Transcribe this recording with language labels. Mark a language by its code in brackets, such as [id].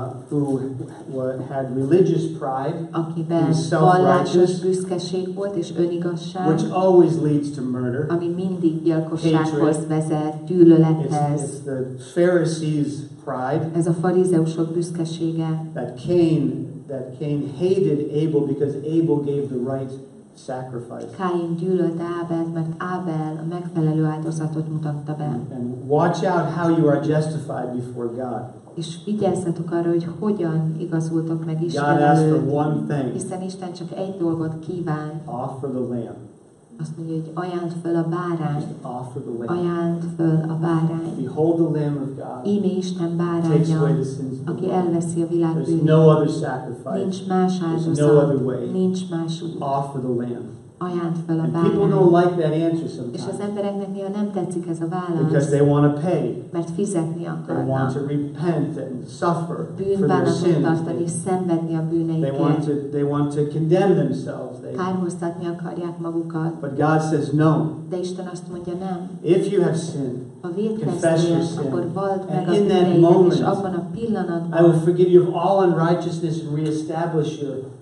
[en] Who had religious pride. [hu] Akiben vallásos büszkeség volt és önigazság. [en] Which always leads to murder. [hu] Ami mindig gyilkossághoz vezet, gyűlölethez. [en] It's the Pharisees' pride. [hu] Ez a farizeusok büszkesége. [en] That Cain hated Abel because Abel gave the right sacrifice. [hu] Cain gyűlölt Ábelt, mert Ábel a megfelelő áldozatot mutatta be. [en] And watch out how you are justified before God. [hu] És vigyázzatok arra, hogy hogyan igazultok meg Isten előtt, hiszen Isten csak egy dolgot kíván. [en] Offer the lamb. [hu] Azt mondja, hogy ajánd föl a bárány. [en] Offer the lamb. [hu] Ajánd föl a bárány. [en] Behold the lamb of God. [hu] Íme Isten báránya, aki elveszi a világ bűnét. [en] No other sacrifice. [hu] Nincs más áldozat. [en] No other way. [hu] Nincs más út. [en] Offer the lamb. [hu] Ajánd fel a bárány. [en] People don't like that answer sometimes. [hu] És az embereknek néha nem tetszik ez a válasz. [en] Because they want to pay. [hu] Mert fizetni akarnak. [en] They want to repent and suffer [hu] bűnbánatot tartani, szenvedni a bűneiket. [en] They want to condemn themselves. [hu] Kárhoztatni akarják magukat. [en] But God says no. [hu] De Isten azt mondja nem. [en] If you have sinned, confess your sin. [hu] Akkor vald meg a bűneidet, és abban a pillanatban. [en] I will forgive you of all unrighteousness and reestablish your